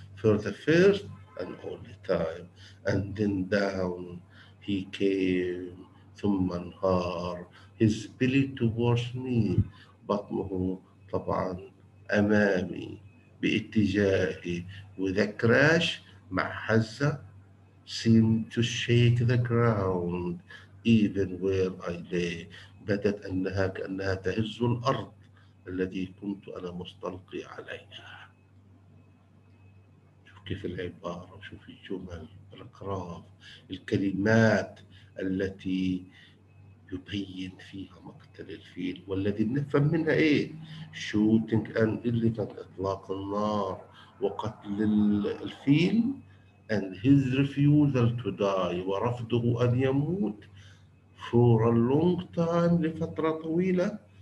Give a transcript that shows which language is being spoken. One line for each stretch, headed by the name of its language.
English: For the first and only time. And then down he came.
Arabic: ثم انهار.
English: His belly towards me.
Arabic: بطنه طبعا أمامي باتجاهي.
English: With a crash
Arabic: مع حزة.
English: Seemed to shake the ground even where I lay.
Arabic: بدت أنها كأنها تهز الأرض الذي كنت أنا مستلقي عليها. شوف كيف العبارة، شوف الجمل، الأقراف، الكلمات التي يبين فيها مقتل الفيل، والذي نفهم منها ايه؟
English: shooting an elephant
Arabic: اطلاق النار وقتل الفيل،
English: and his refusal to die
Arabic: ورفضه ان يموت
English: for a long time
Arabic: لفترة طويلة.